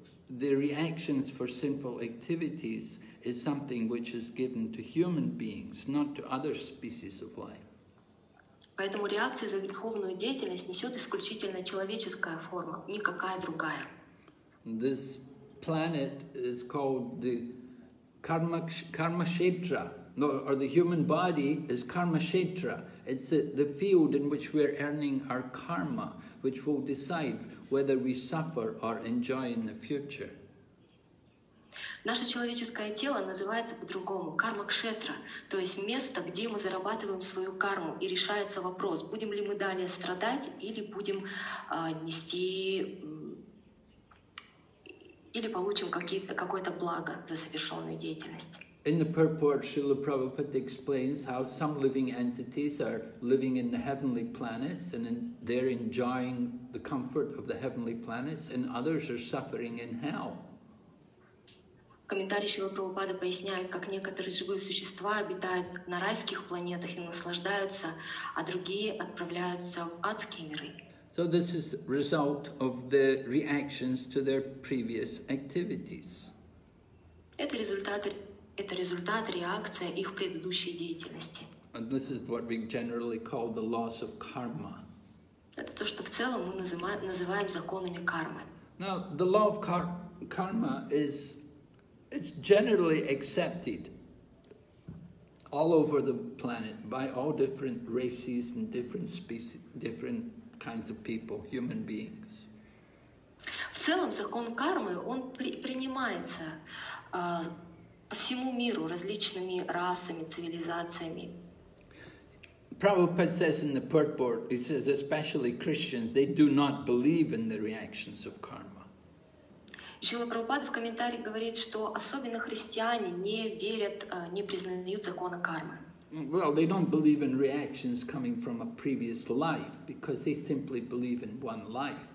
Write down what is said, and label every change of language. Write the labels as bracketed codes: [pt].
[en] The reactions for sinful activities is something which is given to human beings, not to other species of life. [ru] Поэтому реакция за греховную деятельность несет исключительно человеческая форма, никакая другая. [en] This planet is called the Karmakshetra, or the human body is Karmakshetra. It's the field in which we're earning our karma, which will decide whether we suffer or enjoy in the future. [ru] Наше человеческое тело называется по-другому кармакшетра, то есть место, где мы зарабатываем свою карму, и решается вопрос, будем ли мы далее страдать или будем нести или получим какое-то благо за совершенную деятельность. [en] In the purport, Srila Prabhupada explains how some living entities are living in the heavenly planets and they're enjoying the comfort of the heavenly planets, and others are suffering in hell. [ru] В комментарии Шрила Прабхупада поясняет, как некоторые живые существа обитают на райских планетах и наслаждаются, а другие отправляются в адские миры. [en] So this is the result of the reactions to their previous activities. [ru] Это результат реакции их предыдущей деятельности. [en] And this is what we generally call the laws of karma. [ru] Это то, что в целом мы называем законами кармы. [en] Now, the law of karma is it's generally accepted all over the planet by all different races and different species, different kinds of people, human beings. [ru] В целом закон кармы он принимается по всему миру различными расами, цивилизациями. [en] Prabhupada says in the purport, he says especially Christians, they do not believe in the reactions of karma. [ru] Шрила Прабхупада в комментарии говорит, что особенно христиане не верят, не признают закона кармы. [en] Well, they don't believe in reactions coming from a previous life because they simply believe in one life.